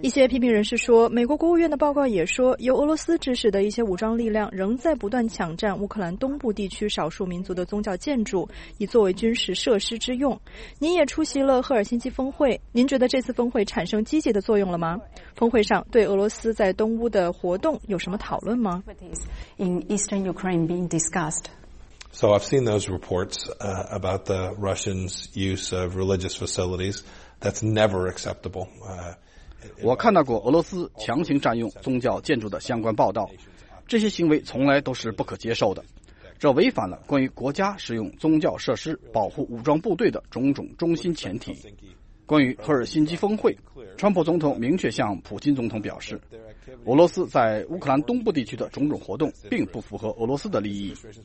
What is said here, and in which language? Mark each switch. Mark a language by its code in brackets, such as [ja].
[zh] 一些批评人士说，美国国务院的报告也说，由俄罗斯指使的一些武装力量仍在不断抢占乌克兰东部地区少数民族的宗教建筑，以作为军事设施之用。您也出席了赫尔辛基峰会，您觉得这次峰会产生积极的作用了吗？峰会上对俄罗斯在东乌的活动有什么讨论吗 [en] ？In Eastern Ukraine being discussed. So I've seen those reports about the Russians' use of religious facilities. That's never acceptable. [zh] 我看到过俄罗斯强行占用宗教建筑的相关报道，这些行为从来都是不可接受的。这违反了关于国家使用宗教设施保护武装部队的种种中心前提。关于赫尔辛基峰会，川普总统明确向普京总统表示，俄罗斯在乌克兰东部地区的种种活动并不符合俄罗斯的利益。